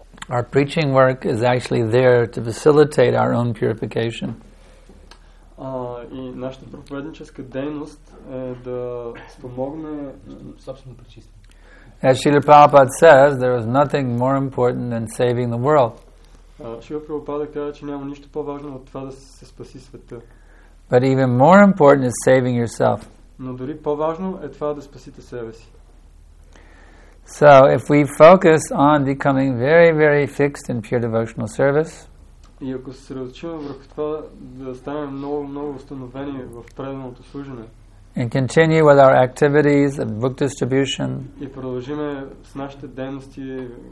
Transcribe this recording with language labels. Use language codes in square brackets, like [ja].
[en] Our preaching work is actually there to facilitate our own purification. [bg] И нашата проповедническа дейност е да спомогне собствено пречистване. [en] As Srila Prabhupada says, there is nothing more important than saving the world. [bg] Srila Prabhupada казва, че няма нищо по-важно от това да се спаси света. [en] But even more important is saving yourself. [bg] Но дори по-важно е това да спасите себе си. [en] So if we focus on becoming very, very fixed in pure devotional service, [bg] и ако се съсредоточим върху това да станем много, много установени в правилното служене, [en] and continue with our activities of book distribution, [bg] и продължиме с нашите дейности,